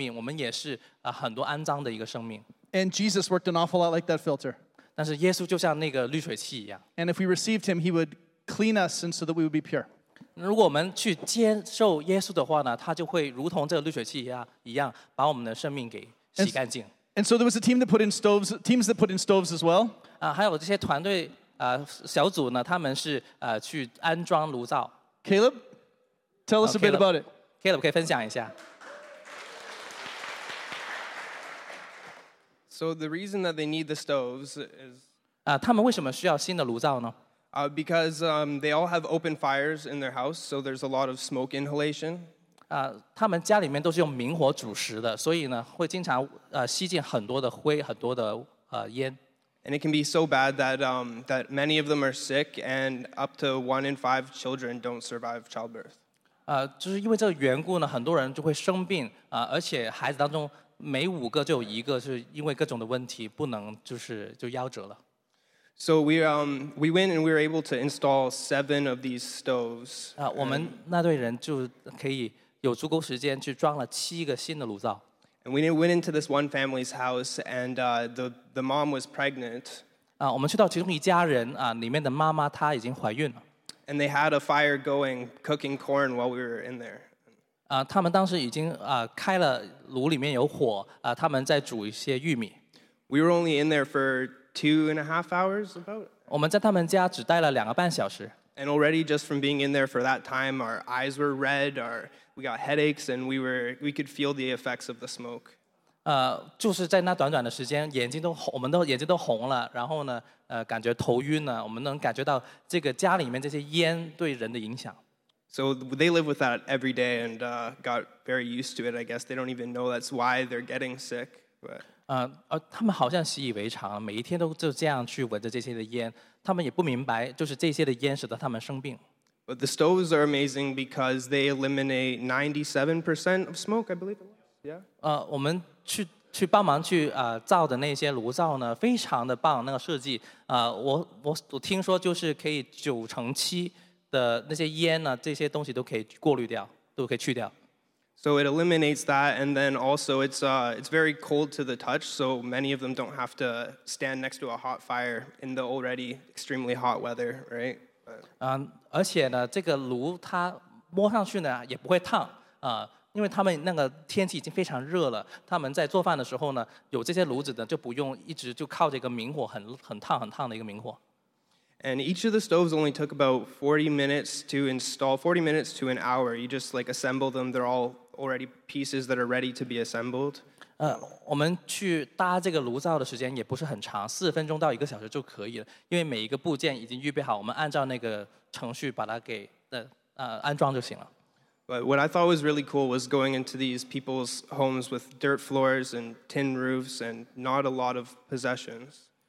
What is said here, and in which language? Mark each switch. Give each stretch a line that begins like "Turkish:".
Chinese: 但是在我们这个为他们安装的过程当中呢，我们也会说这个脏的水呢，就好比我们的生命，我们也是很多肮脏的一个生命。
English: And Jesus worked an awful lot like that filter.
Chinese: 但是耶稣就像那个滤水器一样。
English: And if we received him, he would clean us and so that we would be pure.
Chinese: 如果我们去接受耶稣的话呢，他就会如同这个滤水器一样，把我们的生命给洗干净。
English: And so there was a team that put in stoves, teams that put in stoves as well.
Chinese: 还有这些团队小组呢，他们是去安装炉灶。Caleb,
English: tell us a bit about it.
Chinese: Caleb 可以分享一下。
English: So the reason that they need the stoves is
Chinese: 他们为什么需要新的炉灶呢？
English: Because they all have open fires in their house, so there's a lot of smoke inhalation.
Chinese: 他们家里面都是用明火煮食的，所以呢，会经常吸进很多的灰，很多的烟。
English: And it can be so bad that that many of them are sick, and up to 1 in 5 children don't survive childbirth.
Chinese: 就是因为这个缘故呢，很多人就会生病，而且孩子当中每5个就有一个是因为各种的问题不能就是就夭折了。
English: So we went and we were able to install 7 of these stoves.
Chinese: 我们那队人就可以有足够时间去装了7个新的炉灶。
English: And we went into this one family's house, and the mom was pregnant.
Chinese: 我们去到其中一家人，里面的妈妈她已经怀孕了。
English: And they had a fire going, cooking corn while we were in there.
Chinese: 他们当时已经开了炉里面有火，他们在煮一些玉米。
English: We were only in there for 2.5 hours, about.
Chinese: 我们在他们家只待了2个半小时。
English: And already, just from being in there for that time, our eyes were red, we got headaches, and we could feel the effects of the smoke.
Chinese: 就是在那短短的时间，眼睛都红，我们都眼睛都红了。然后呢，感觉头晕呢，我们能感觉到这个家里面这些烟对人的影响。
English: So they live with that every day and got very used to it. I guess they don't even know that's why they're getting sick, but.
Chinese: 他们好像习以为常，每一天都就这样去闻着这些的烟，他们也不明白，就是这些的烟使得他们生病。
English: But the stoves are amazing because they eliminate 97% of smoke, I believe. Yeah.
Chinese: 我们去帮忙去造的那些炉灶呢，非常的棒，那个设计。我听说就是可以97%的那些烟呢，这些东西都可以过滤掉，都可以去掉。
English: So it eliminates that, and then also it's very cold to the touch, so many of them don't have to stand next to a hot fire in the already extremely hot weather, right?
Chinese: 而且呢，这个炉它摸上去呢也不会烫啊，因为他们那个天气已经非常热了，他们在做饭的时候呢，有这些炉子呢，就不用一直就靠这个明火很烫很烫的一个明火。
English: And each of the stoves only took about 40 minutes to install, 40 minutes to an hour. You just like assemble them. They're all already pieces that are ready to be assembled.
Chinese: 我们去搭这个炉灶的时间也不是很长，四分钟到一个小时就可以了，因为每一个部件已经预备好，我们按照那个程序把它给安装就行了。
English: But what I thought was really cool was going into these people's homes with dirt floors and tin roofs and not a lot of possessions.